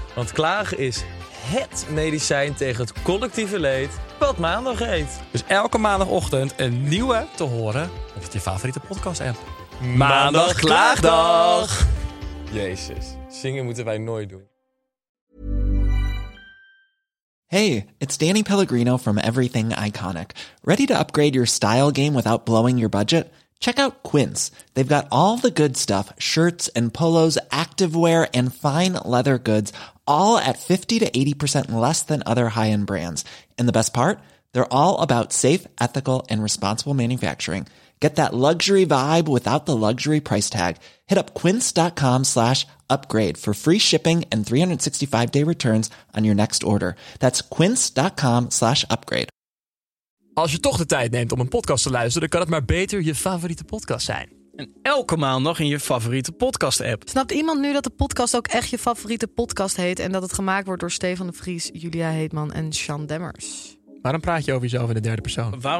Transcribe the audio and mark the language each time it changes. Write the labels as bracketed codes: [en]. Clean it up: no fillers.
[nl] Want klagen is HET medicijn tegen het collectieve leed, wat maandag heet. Dus elke maandagochtend een nieuwe te horen op je favoriete podcast-app. Maandag klaagdag! Jezus, zingen moeten wij nooit doen. [en] Hey, it's Danny Pellegrino from Everything Iconic. Ready to upgrade your style game without blowing your budget? Check out Quince. They've got all the good stuff, shirts and polos, activewear and fine leather goods, all at 50 to 80% less than other high-end brands. And the best part? They're all about safe, ethical and responsible manufacturing. Get that luxury vibe without the luxury price tag. Hit up quince.com/upgrade for free shipping and 365-day returns on your next order. That's quince.com/upgrade. [nl] Als je toch de tijd neemt om een podcast te luisteren, dan kan het maar beter je favoriete podcast zijn. En elke maandag in je favoriete podcast-app. Snapt iemand nu dat de podcast ook echt je favoriete podcast heet en dat het gemaakt wordt door Stefan de Vries, Julia Heetman en Sean Demmers? Waarom praat je over jezelf in de derde persoon?